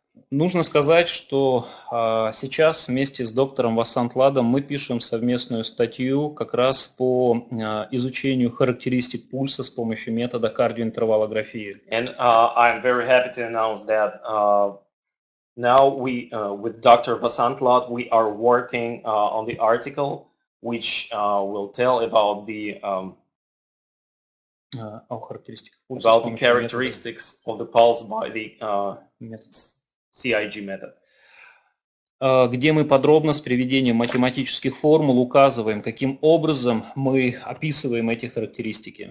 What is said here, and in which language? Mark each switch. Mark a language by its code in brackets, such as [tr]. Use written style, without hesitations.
[ru] Нужно сказать, что сейчас вместе с доктором Васант Ладом мы пишем совместную статью как раз по изучению характеристик пульса с помощью метода кардиоинтервалографии. [en] And I'm very happy to announce that now we, with Dr. Vasant Lad, we are working on the article, which will tell about the about the characteristics of the pulse by the CIG method. [ru] Где мы подробно с приведением математических формул указываем, каким образом мы описываем эти характеристики.